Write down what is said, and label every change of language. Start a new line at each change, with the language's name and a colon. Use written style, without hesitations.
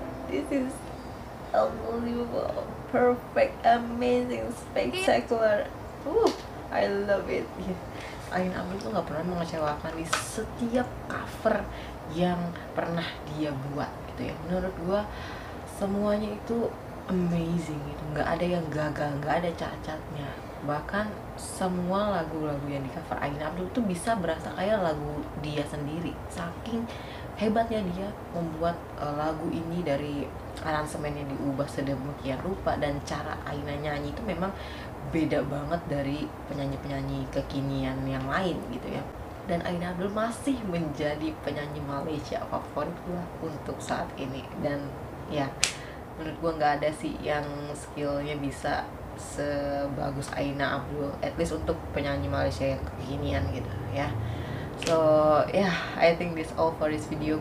English: This is unbelievable, perfect, amazing, spectacular. I love it.
Indonesian: Ayun Amel tuh gak pernah mengecewakan di setiap cover yang pernah dia buat gitu ya. Menurut gua semuanya itu amazing gitu. Gak ada yang gagal, gak ada cacatnya. Bahkan semua lagu-lagu yang di cover Ayin Abdul tuh bisa berasa kayak lagu dia sendiri. Saking hebatnya dia membuat lagu ini dari aransemennya diubah sedemikian rupa. Dan cara Ayina nyanyi itu memang beda banget dari penyanyi-penyanyi kekinian yang lain gitu ya. Dan Ayin Abdul masih menjadi penyanyi Malaysia favorit gue untuk saat ini. Dan ya menurut gue gak ada sih yang skillnya bisa sebagus Ayina Abdul, at least untuk penyanyi Malaysia yang kekinian gitu ya.
English: So yeah, I think this all for this video.